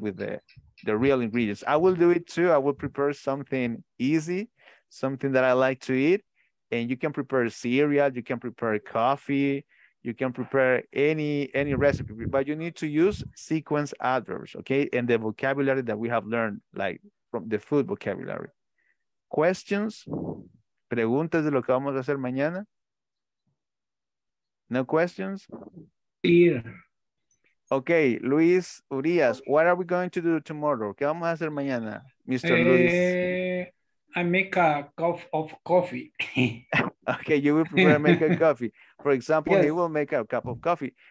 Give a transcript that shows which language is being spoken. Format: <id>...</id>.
<en>With the real ingredients. I will do it too. I will prepare something easy, something that I like to eat. And you can prepare cereal, you can prepare coffee, you can prepare any recipe, but you need to use sequence adverbs, okay? And the vocabulary that we have learned, like from the food vocabulary. Questions?</en> <es>Preguntas de lo que vamos a hacer mañana?</es> <en>No questions? Clear. Okay, Luis Urias, what are we going to do tomorrow?</en> <es>¿Qué vamos a hacer mañana, Mr. Luis?</es> <en>I make a cup of coffee. Okay, you will prepare make a coffee. For example, yes. He will make a cup of coffee.</en>